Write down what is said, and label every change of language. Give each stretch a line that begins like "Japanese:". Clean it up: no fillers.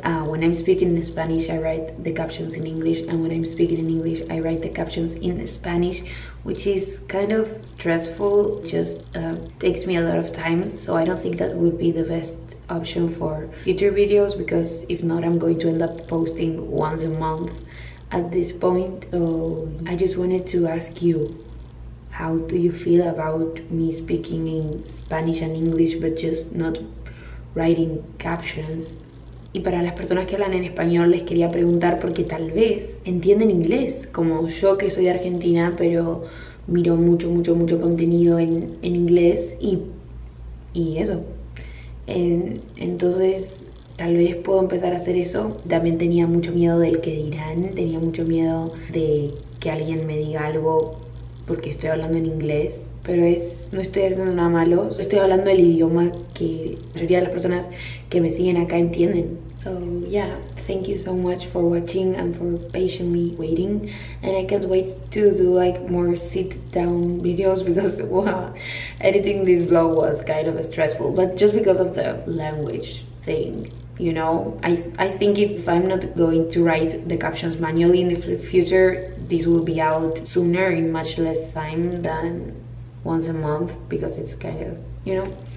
English: When I'm speaking in Spanish, I write the captions in English, and when I'm speaking in English, I write the captions in Spanish, which is kind of stressful, just takes me a lot of time, so I don't think that would be the best option for future videos, because if not, I'm going to end up posting once a month at this point. So I just wanted to ask you, how do you feel about me speaking in Spanish and English but just not writing captions?
Spanish: Y para las personas que hablan en español les quería preguntar, porque tal vez entienden inglés como yo, que soy de Argentina pero miro mucho contenido en inglés, y eso, Entonces, tal vez puedo empezar a hacer eso. También tenía mucho miedo del qué dirán. Tenía mucho miedo de que alguien me diga algo porque estoy hablando en inglés. Pero no estoy haciendo nada malo. Estoy hablando el idioma que la mayoría de las personas que me siguen acá entienden.
English: So, yeah. Thank you so much for watching and for patiently waiting. And I can't wait to do like more sit-down videos because editing this vlog was kind of stressful. But just because of the language thing, you know? I think if I'm not going to write the captions manually in the future, this will be out sooner in much less time than once a month, because it's kind of, you know.